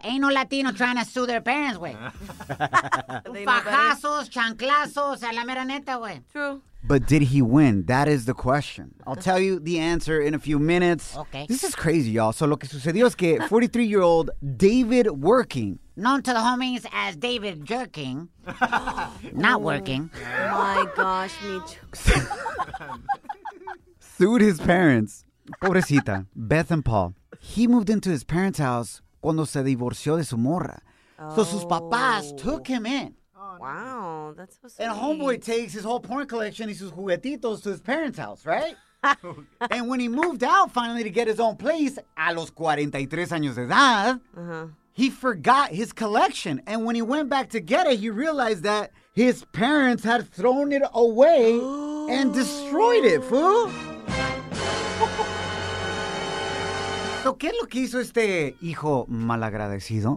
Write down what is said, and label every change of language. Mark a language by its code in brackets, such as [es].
[en] Ain't no Latino trying to sue their parents, güey. [es] Fajazos, chanclazos, a la mera neta, güey. [en] True. But did he win? That is the question. I'll tell you the answer in a few minutes. Okay. This is crazy, y'all. [es] So lo que sucedió es que [en] 43-year-old David Working, known to the homies as David Jerking, not working. My gosh, sued his parents. Pobrecita, Beth and Paul. He moved into his parents' house cuando se divorció de su morra. Oh. So sus papás took him in. Oh, wow, that's so sweet. And homeboy takes his whole porn collection y sus juguetitos to his parents' house, right? And when he moved out finally to get his own place, a los 43 años de edad, he forgot his collection. And when he went back to get it, he realized that his parents had thrown it away and destroyed it, fool. [es] So, ¿qué es lo que hizo este hijo malagradecido?